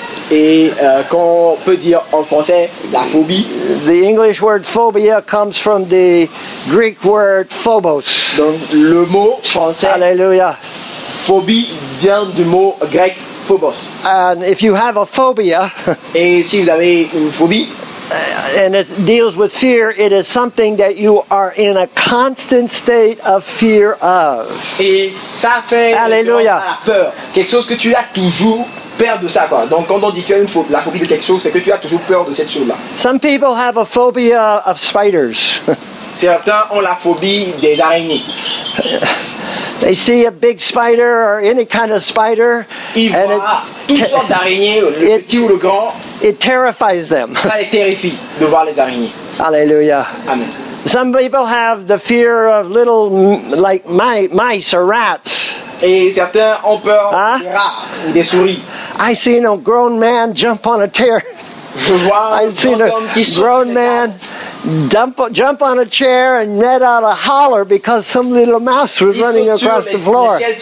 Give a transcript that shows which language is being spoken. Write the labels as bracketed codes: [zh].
[fr] Et qu'on peut dire en français la phobie. [en] The English word phobia comes from the Greek word phobos. [fr] Donc le mot français. Alléluia. Phobie vient du mot grec. Phobos. [en] And if you have a phobia, [fr] et si vous avez une phobie, [en] and it deals with fear, it is something that you are in a constant state of fear of. [fr] Et ça fait Alléluia. La peur, quelque chose que tu as toujours peur de ça, quoi. Donc quand on dit que la phobie de quelque chose, c'est que tu as toujours peur de cette chose-là. [en] Some people have a phobia of spiders. [fr] Certains ont la phobie des araignées. [en] They see a big spider or any kind of spider, and it terrifies them. [fr] Ça les terrifie de voir les araignées. Alléluia. Amen. [en] Some people have the fear of little like mice or rats. [fr] Et certains ont peur des rats ou des souris. [en] I seen a grown man jump on a chair. I've seen a grown man jump on a chair and let out a holler because some little mouse was running across the floor.